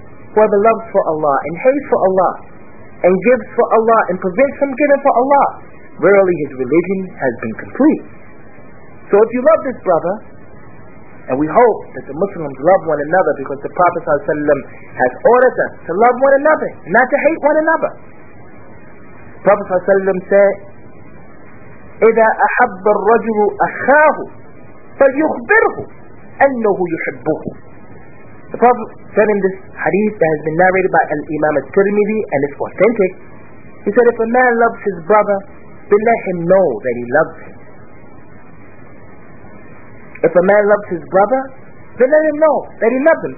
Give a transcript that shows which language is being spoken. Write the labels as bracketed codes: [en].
[en] Whoever loves for Allah and hates for Allah and gives for Allah and prevents from giving for Allah, verily his religion has been complete. So if you love this brother, and we hope that the Muslims love one another, because the Prophet ﷺ has ordered us to love one another, not to hate one another. The Prophet ﷺ said, [ar] إِذَا أَحَبَّ الرَّجُلُ أَخَاهُ فَلْيُخْبِرْهُ أَنَّهُ يُحِبُّهُ. [en] The Prophet said in this hadith that has been narrated by Imam al-Tirmidhi, and it's authentic, he said, if a man loves his brother, then let him know that he loves him. If a man loves his brother, then let him know that he loves him.